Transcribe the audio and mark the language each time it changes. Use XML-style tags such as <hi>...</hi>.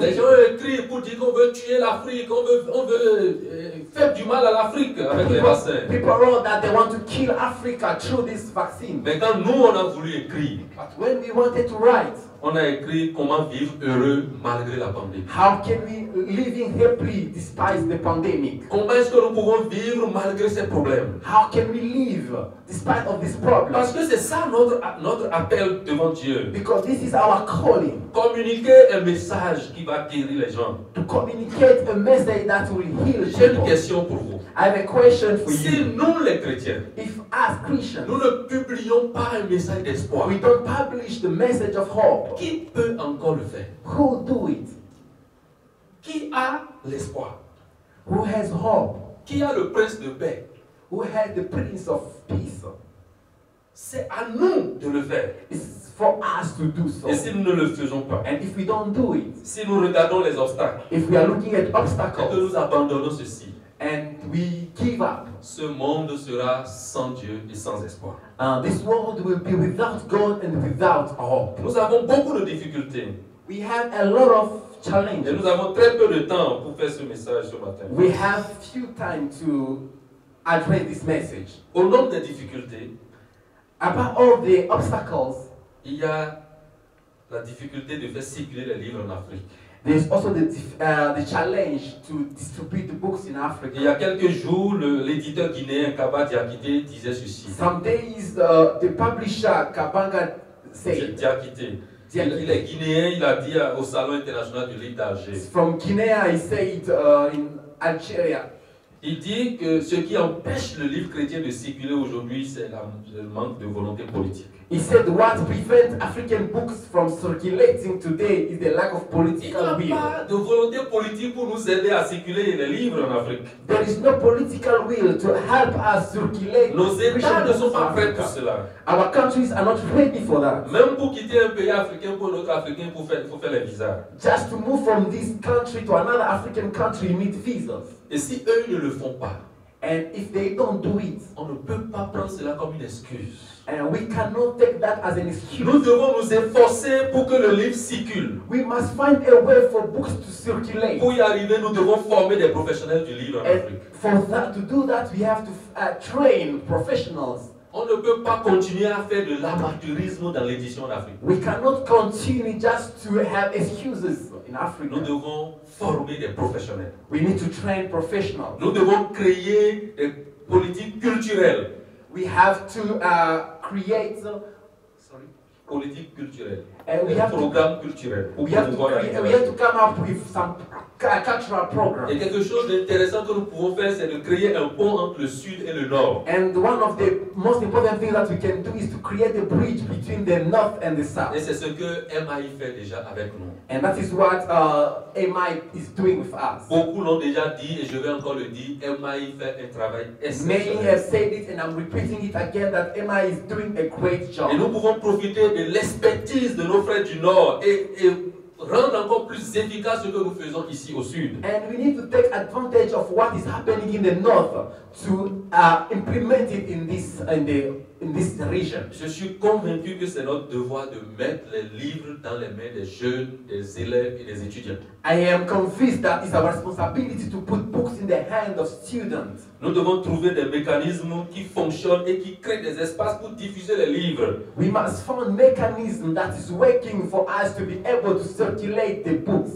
<fr>Les gens écrivent pour dire qu'on veut tuer l'Afrique, on veut faire du mal à l'Afrique avec les vaccins.</fr> <en>People wrote that they want to kill Africa through this vaccine.</en> <fr>Mais quand nous on a voulu écrire,</fr> <en>but when we wanted to write,</en> <fr>on a écrit comment vivre heureux malgré la pandémie.</fr> <en>How can we living happily despite the pandemic?</en> <fr>Comment est-ce que nous pouvons vivre malgré ces problèmes?</fr> <en>How can we live despite of this problem?</en> <fr>Parce que c'est ça notre appel devant Dieu.</fr> <en>Because this is our calling.</en> <fr>Communiquer un message qui va guérir les gens.</fr> <en>To communicate a message that will heal.</en> <fr>J'ai une question pour vous.</fr> <en>I have a question for</en> <fr>si</fr> <en>you.</en> <fr>Si nous les chrétiens,</fr> <en>if as Christians,</en> <fr>nous ne publions pas un message d'espoir,</fr> <en>we don't publish the message of hope.</en> <fr>Qui peut encore le faire?</fr> <en>Who do it?</en> <fr>Qui a l'espoir?</fr> <en>Who has hope?</en> <fr>Qui a le prince de paix?</fr> <en>Who has the prince of peace?</en> <fr>C'est à nous de le faire.</fr> <en>It's for us to do so.</en> <fr>Et si nous ne le faisons pas?</fr> <en>And if we don't do it?</en> <fr>Si nous regardons les obstacles?</fr> <en>If we are looking at obstacles?</en> <fr>Et que nous abandonnons ceci?</fr> <en>And we give up?</en> <fr>Ce monde sera sans Dieu et sans espoir.</fr> <en>This world will be without God and without hope.</en> <fr>Nous avons beaucoup de difficultés.</fr> <en>We have a lot of challenges.</en> <fr>Et nous avons très peu de temps pour faire ce message ce matin.</fr> <en>We have few time to address this message.</en> <fr>Au nom des difficultés,</fr> <en>about all the obstacles,</en> <fr>il y a la difficulté de faire circuler les livres en Afrique.</fr> <en>There's also the challenge to distribute the books in Africa.</en> <fr>Il y a quelques jours, l'éditeur guinéen Kabat Diakité disait ceci.</fr> <en>Some days, the publisher Kabanga said.</en> <fr>Diakité. Il est guinéen. Il a dit au salon international du livre d'Alger.</fr> <en>From Guinea, he said in Algeria.</en> <fr>Il dit que ce qui empêche le livre chrétien de circuler aujourd'hui, c'est le manque de volonté politique.</fr> <en>He said what prevents African books from circulating today is the lack of political will.</en> <fr>Il n'y a pas de volonté politique pour nous aider à circuler les livres en Afrique.</fr> <en>There is no political will to help us circulate.</en> <fr>Nos États ne sont pas prêts pour cela.</fr> <en>Our countries are not ready for that.</en> <fr>Même pour quitter un pays africain pour un autre africain, pour faire les visas.</fr> <en>Just to move from this country to another African country, you need visas.</en> <fr>Et si eux ne le font pas,</fr> <en>and if they don't do it,</en> <fr>on ne peut pas prendre cela comme une excuse.</fr> <en>And we cannot take that as an excuse.</en> <fr>Nous devons nous efforcer pour que le livre circule.</fr> <en>We must find a way for books to circulate.</en> <fr>Pour y arriver, nous devons former des professionnels du livre en Afrique.</fr> <en>For that, to do that, we have to train professionals.</en> <fr>On ne peut pas continuer à faire de l'amateurisme dans l'édition en Afrique.</fr> <en>We cannot continue just to have excuses in Africa.</en> <fr>Nous devons former des professionnels.</fr> <en>We need to train professionals.</en> <fr>Nous devons créer des politiques culturelles.</fr> <en>We have to create</en> <fr>politique culturelle.</fr> <en>And we have</en> <fr>programme</fr> <en>to,</en> <fr>culturel.</fr> <en>We have to come up with some cultural program.</en> <fr>Et quelque chose d'intéressant que nous pouvons faire, c'est de créer un pont entre le sud et le nord.</fr> <en>And one of the most important things that we can do is to create a bridge between the north and the south.</en> <fr>Et c'est ce que MI fait déjà avec nous.</fr> <en>And that is what MI is doing with us.</en> <fr>Beaucoup l'ont déjà dit et je vais encore le dire, MI fait un travail exceptionnel.</fr> <en>Many have said it and I'm repeating it again that MI is doing a great job.</en> <fr>Et nous pouvons profiter de l'expertise de nos frères du nord et rendre encore plus efficace ce que nous faisons ici au sud.</fr> <en>And we need to take advantage of what is happening in the north to implement it in this region.</en> <fr>Je suis convaincu que c'est notre devoir de mettre les livres dans les mains des jeunes, des élèves et des étudiants.</fr> <en>I am convinced that it's our responsibility to put books in the hands of students.</en> <fr>Nous devons trouver des mécanismes qui fonctionnent et qui créent des espaces pour diffuser les livres.</fr> <en>We must find mechanisms that is working for us to be able to circulate the books.</en>